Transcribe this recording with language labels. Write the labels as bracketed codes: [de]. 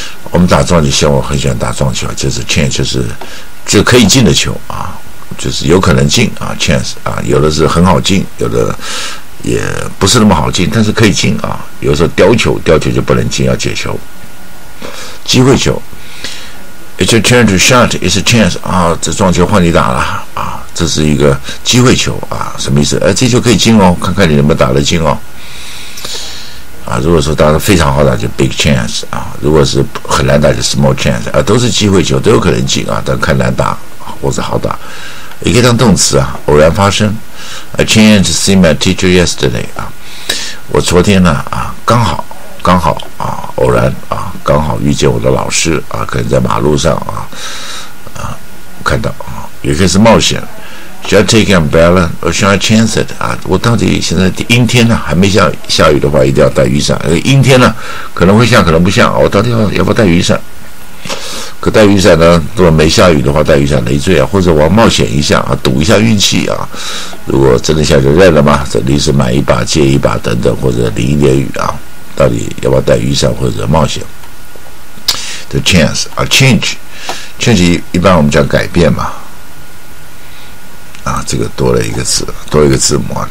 [zh] 我们打撞球，像我很喜欢打撞球，就是 chance 就是可以进的球啊，就是有可能进啊 ，chance 啊，有的是很好进，有的也不是那么好进，但是可以进啊。有时候丢球就不能进，要解球。机会球 [en] ，It's a chance to shot. It's a chance. [zh] 啊，这撞球换你打了啊，这是一个机会球啊，什么意思？这球可以进哦，看看你能不能打得进哦。啊，如果说打得非常好打，就 big chance 啊；如果是很难打，就 small chance 啊，都是机会球，都有可能进啊，但看难打或者好打。也可以当动词啊，偶然发生。 [en] I chanced to see my teacher yesterday [zh] 啊，我昨天呢啊，刚好啊，偶然啊，刚好遇见我的老师啊，可能在马路上啊啊看到啊，也可以是冒险。 [en] Should I take an umbrella or should I chance it 啊？ [zh] 我到底现在阴天呢，还没下雨的话，一定要带雨伞。阴天呢，可能会下，可能不下，我到底要不要带雨伞？可带雨伞呢，如果没下雨的话，带雨伞累赘啊，或者我要冒险一下啊，赌一下运气啊，如果真的下就认了嘛，这临时买一把借一把等等，或者淋一点雨啊，到底要不要带雨伞或者冒险 the chance 啊 change 一般我们讲改变嘛啊，这个多了一个字，多一个字母啊。